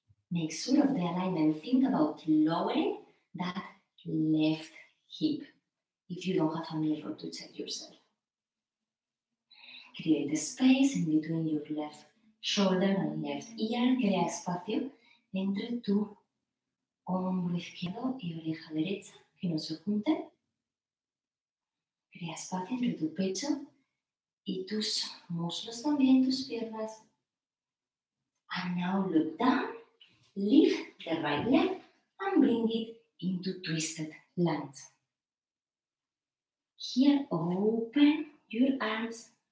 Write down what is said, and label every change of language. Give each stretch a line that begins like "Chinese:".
English: Make sure of the alignment, think about lowering that left hip, if you don't have a mirror to check yourself. Create a space in between your left shoulder and left ear.
Spanish: Crea espacio entre tu hombro izquierdo y oreja derecha, que no se junten. Crea espacio entre tu pecho y tus muslos también, tus piernas.
English: And now look down, lift the right leg and bring it into twisted lunge. Here, open your arms.